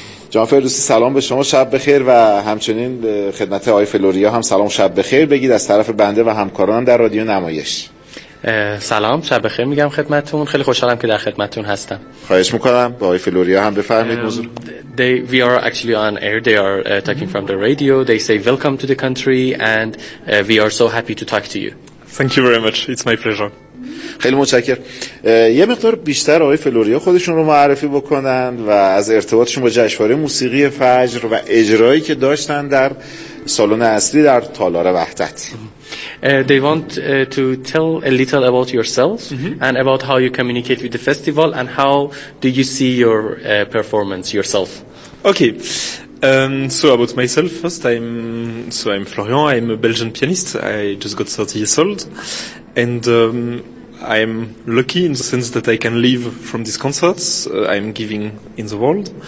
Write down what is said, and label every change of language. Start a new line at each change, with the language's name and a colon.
Persian: جناب فردوسی سلام به شما، شب بخیر، و همچنین خدمت آقای فلوریا هم سلام شب بخیر بگید از طرف بنده و همکارانم در رادیو نمایش. سلام، شب بخیر میگم خدمتتون، خیلی خوشحالم که در خدمتتون هستم. خواهش میکنم، با آقای فلوریا هم بفرمایید حضور.
English: We are actually on air. They are talking from the radio. They say welcome to the country and we are so happy to talk to you. Thank you very much. It's my pleasure.
Persian: خیلی متشکرم. یه مقدار بیشتر آقای فلوریا خودشون رو معرفی بکنن و از ارتباطشون با جشنواره موسیقی فجر و اجرایی که داشتن در سالن اصلی در تالار وحدت.
English: They want to tell a little about yourself and about how you communicate with the festival and how do you see your performance yourself. Okay. So about myself first, I'm Florian, I'm a Belgian pianist, I just got 30 years old, and I'm lucky in the sense that I can live from these concerts I'm giving in the world.